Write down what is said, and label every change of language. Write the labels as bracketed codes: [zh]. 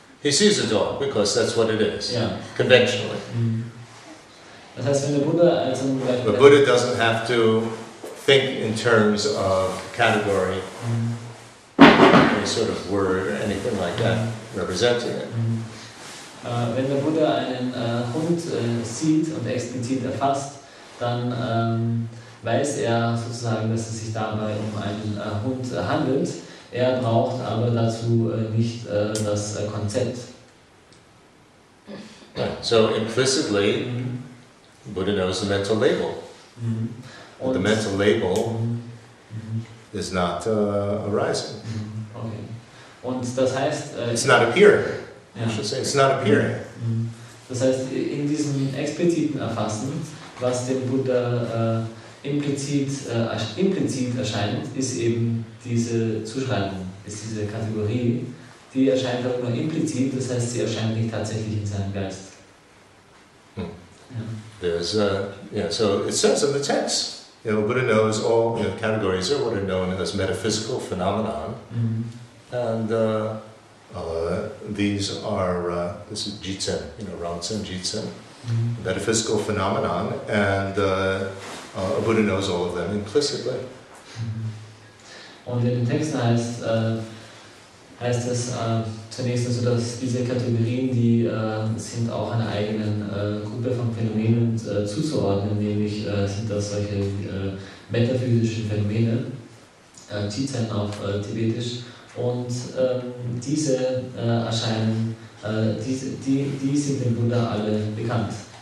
[en] He sees a dog, because that's what it is. Yeah. Conventionally. [de] Mm. That heißt, wenn der Buddha, also, [en] the Buddha doesn't have to think in terms of category, any sort of word or anything like that, representing it. [de] Wenn der Buddha einen Hund sieht und explizit erfasst, dann... weiß er sozusagen, dass es sich dabei um einen Hund handelt. Er braucht aber dazu nicht das Konzept. [en] So implicitly, Buddha knows the mental label. Mm-hmm. The mental label mm-hmm. is not arising. [de] Mm-hmm. Okay. Und das heißt, [en] it's not appearing. Yeah. I should say, it's not appearing. Mm-hmm. [de] Das heißt, in diesem expliziten Erfassen, was dem Buddha implizit erscheint, ist eben diese Zuschreibung, ist diese Kategorie, die erscheint auch nur implizit, das heißt, sie erscheint nicht tatsächlich in seinem Geist. [en] So it says in the text, you know, Buddha knows all, you know, categories are what are known as metaphysical phenomena, mm-hmm. and these are, this is Jitsen, you know, Ransen, Jitsen, mm-hmm. metaphysical phenomenon, and Buddha knows all of them implicitly. Mm-hmm. [de] Und in den Texten heißt es zunächst also, dass diese Kategorien, die sind auch einer eigenen Gruppe von Phänomenen zuzuordnen, nämlich sind das solche metaphysischen Phänomene, Jitsen auf Tibetisch, und diese erscheinen, die sind dem Buddha alle bekannt.